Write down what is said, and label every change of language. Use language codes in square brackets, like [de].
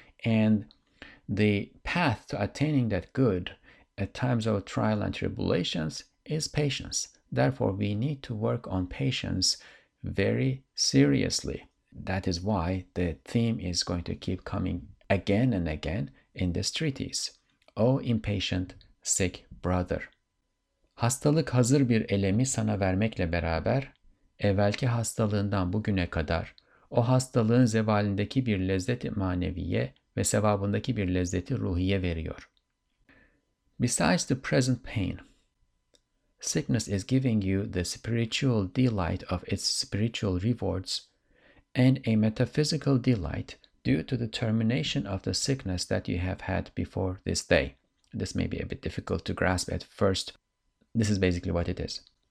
[en] And the path to attaining that good at times of trial and tribulations is patience. Therefore, we need to work on patience very seriously. That is why the theme is going to keep coming again and again in this treatise. O impatient, sick brother. [tr] Hastalık hazır bir elemi sana vermekle beraber, evvelki hastalığından bugüne kadar, o hastalığın zevalindeki bir lezzeti maneviye ve sevabındaki bir lezzeti ruhiye veriyor. [en] Besides the present pain, sickness is giving you the spiritual delight of its spiritual rewards and a metaphysical delight due to the termination of the sickness that you have had before this day. This may be a bit difficult to grasp at first. This is basically what it is.